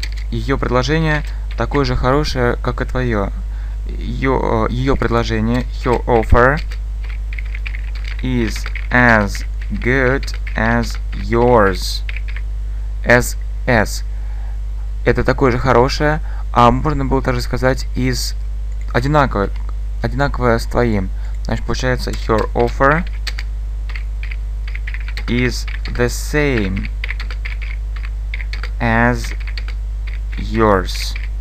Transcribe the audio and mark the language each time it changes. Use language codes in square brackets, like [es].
[ru] Ее предложение такое же хорошее, как и твое. Ее предложение. [en] Her offer is as good as yours. [ru] As. Это такое же хорошее. А можно было также сказать is... одинаковое с твоим. Значит, получается, [en] her offer is the same as yours.